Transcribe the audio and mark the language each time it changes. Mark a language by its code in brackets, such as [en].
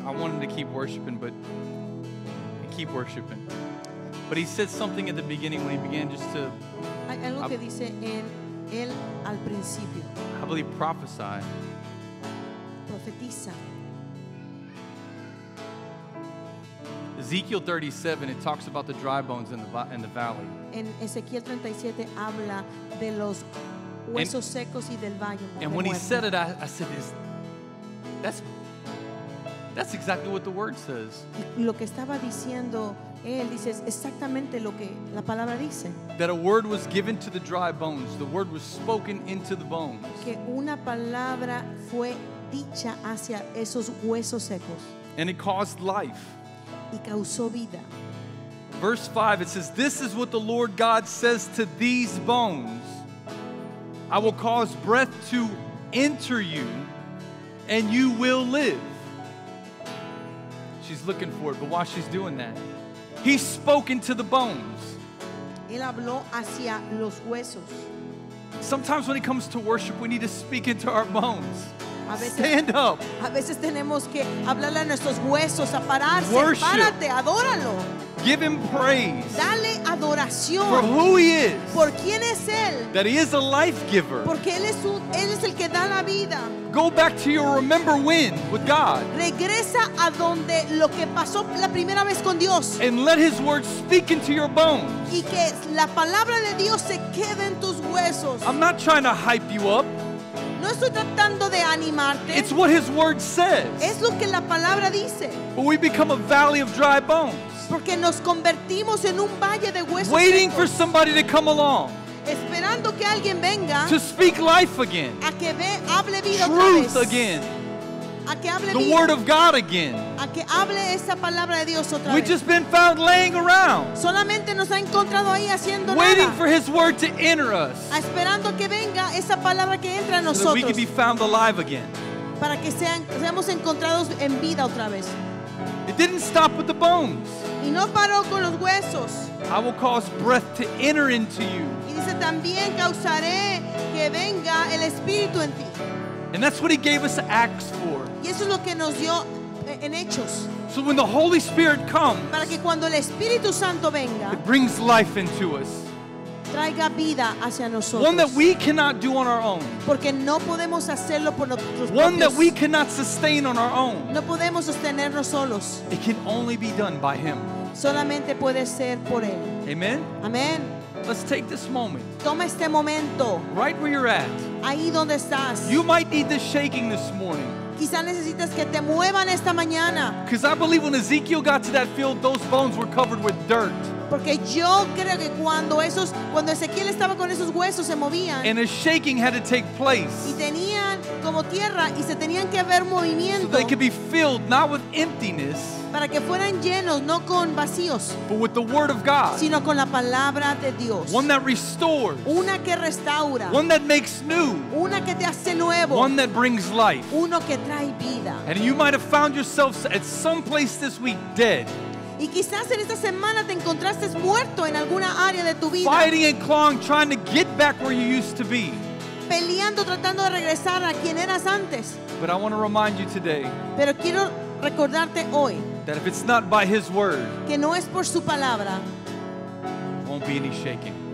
[en] I wanted to keep worshiping, But he said something at the beginning when he began just to. I believe prophesy. [es] Profetiza. [en] Ezekiel 37, it talks about the dry bones in the valley. [es] En Ezequiel 37 habla de los huesos secos y del valle. [en] And when he said it, I said this. That's exactly what the word says. [es] Lo que estaba diciendo él dice exactamente lo que la palabra dice. [en] That a word was given to the dry bones. The word was spoken into the bones. [es] Que una palabra fue dicha hacia esos huesos secos. [en] And it caused life. [es] Y causó vida. [en] Verse 5, it says, "This is what the Lord God says to these bones. I will cause breath to enter you. And you will live." She's looking for it, but while she's doing that, he spoke into the bones. [es] Él habló hacia los huesos. [en] Sometimes when it comes to worship, we need to speak into our bones. [es] A veces, [en] stand up. [es] A veces tenemos que hablarle a nuestros huesos, a pararse. [en] Worship. [es] Párate, adóralo. [en] Give him praise. [es] Dale adoración. [en] For who he is. [es] Por quién es él. [en] That he is a life giver. [es] Porque él es el que da la vida. [en] Go back to your remember when with God. [es] Regresa a donde lo que pasó la primera vez con Dios. [en] And let his word speak into your bones. [es] Y que la palabra de Dios se quede en tus huesos. [en] I'm not trying to hype you up. [es] No estoy tratando de animarte. [en] It's what his word says. [es] Es lo que la palabra dice. [en] But we become a valley of dry bones. [es] Porque nos convertimos en un valle de huesos secos. [en] Waiting for somebody to come along. [es] Esperando que alguien venga. [en] To speak life again. [es] A que hable vida. [en] Truth again. [es] A que hable [en] the [es] vida. [en] Word of God again. [es] A que hable esa palabra de Dios otra vez. [en] We've just been found laying around. [es] Solamente nos ha encontrado ahí haciendo nada. [en] Waiting for his word to enter us. [es] Esperando que venga esa palabra que entra a nosotros. [en] So that we can be found alive again. [es] Para que seamos encontrados en vida otra vez. [en] It didn't stop with the bones. [es] y no paró con los huesos. [en] I will cause breath to enter into you. [es] Y dice, también causaré que venga el espíritu en ti. [en] And that's what he gave us Acts for. [es] Y eso es lo que nos dio en Hechos. [en] So when the Holy Spirit comes, [es] para que cuando el Espíritu Santo venga, [en] it brings life into us. [es] Traiga vida hacia nosotros. [en] One that we cannot do on our own. [es] Porque no podemos hacerlo por nosotros propios. [en] One that we cannot sustain on our own. [es] No podemos sostenernos solos. [en] It can only be done by him. [es] Solamente puede ser por él. [en] Amen. [es] Amen. [en] Let's take this moment. [es] Toma este momento. [en] Right where you're at. [es] Ahí donde estás. [en] You might need the shaking this morning. [es] Quizá necesitas que te muevan esta mañana. [en] Because I believe when Ezekiel got to that field, those bones were covered with dirt. [es] Porque yo creo que cuando Ezequiel estaba con esos huesos se movían. [en] And a shaking had to take place. [es] Y tenían como tierra y se tenían que ver movimiento. [en] So they could be filled not with emptiness. [es] Para que fueran llenos no con vacíos. [en] But with the word of God. [es] Sino con la palabra de Dios. [en] One that restores. [es] Una que restaura. [en] One that makes new. [es] Una que te hace nuevo. [en] One that brings life. [es] Uno que trae vida. [en] And you might have found yourself at some place this week dead. [es] Y quizás en esta semana te encontraste muerto en alguna área de tu vida. [en] Fighting and clawing, trying to get back where you used to be. [es] Peleando, tratando de regresar a quien eras antes. [en] But I want to remind you today. [es] Pero quiero recordarte hoy. [en] That if it's not by his word. [es] Que no es por su palabra. [en] Won't be any shaking.